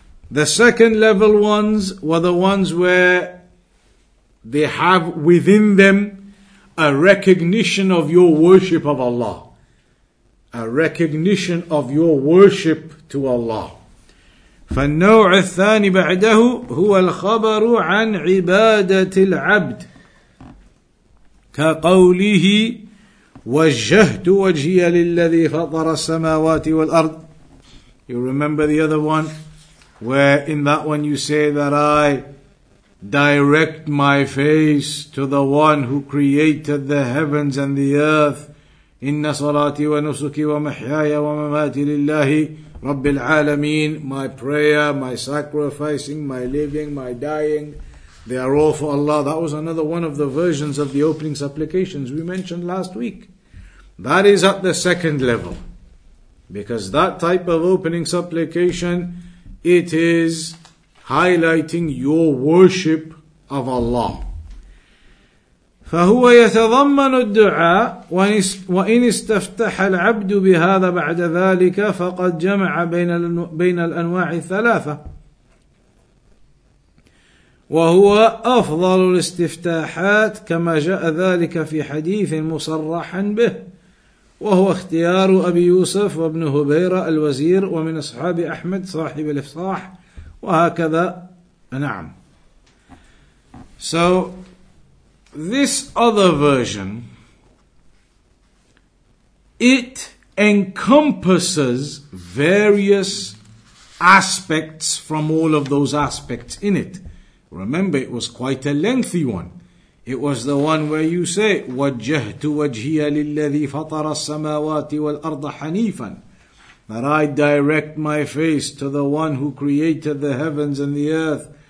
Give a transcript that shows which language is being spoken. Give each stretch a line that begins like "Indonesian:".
English: The second level ones were the ones where they have within them a recognition of your worship of Allah, a recognition of your worship to Allah.
Arabic: فالنوع الثاني بعده هو الخبر عن عبادة العبد كقوله وجهت وجهي للذي فطر السماوات والأرض.
English: You remember the other one where in that one you say that I direct my face to the one who created the heavens and the earth.
Arabic: إن صلاتي ونسكي ومحياي ومماتي لله رب العالمين.
English: My prayer, my sacrificing, my living, my dying, they are all for Allah. That was another one of the versions of the opening supplications we mentioned last week. That is at the second level, because that type of opening supplication, it is highlighting your worship of Allah.
Arabic: فَهُوَ يَتَضَمَّنُ الدُّعَاءُ وَإِنِ اسْتَفْتَحَ الْعَبْدُ بِهَذَا بَعْدَ ذَلِكَ فَقَدْ جَمَعَ بَيْنَ الْأَنْوَاعِ الثَّلَاثَةِ وَهُوَ أَفْضَلُ الْاِسْتِفْتَاحَاتِ كَمَا جَاءَ ذَلِكَ فِي حَدِيثٍ مُصَرَّحًا بِهِ وهو اختيار أبي يوسف وابن هبيرة الوزير ومن أصحاب أحمد صاحب الإفصاح وهكذا نعم.
English: So this other version, it encompasses various aspects from all of those aspects in it. Remember, it was quite a lengthy one. It was the one where you say,
Arabic: وَجَّهْتُ وَجْهِيَ لِلَّذِي فَطَرَ السَّمَاوَاتِ وَالْأَرْضَ
English: حَنِيفًا, that I direct my face to the one who created the heavens and the earth.